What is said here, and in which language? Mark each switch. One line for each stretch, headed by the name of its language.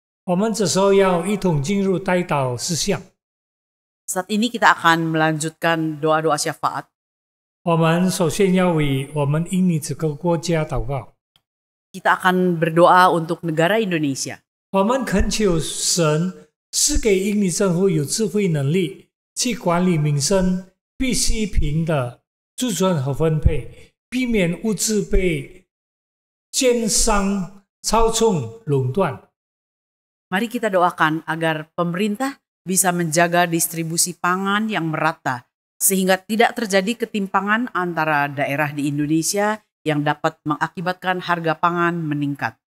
Chinese: 我们这时候要一同进入代祷事项。
Indonesian: Saat ini kita akan melanjutkan doa-doa syafaat.
Chinese: 我们首先要为我们印尼这个国家祷告。
Indonesian: Kita akan berdoa untuk negara Indonesia.
Chinese: 我们恳求神赐给印尼政府有智慧能力去管理民生必需品的储存和分配，避免物资被奸商操纵垄断。
Indonesian: Mari kita doakan agar pemerintah bisa menjaga distribusi pangan yang merata sehingga tidak terjadi ketimpangan antara daerah di Indonesia yang dapat mengakibatkan harga pangan meningkat.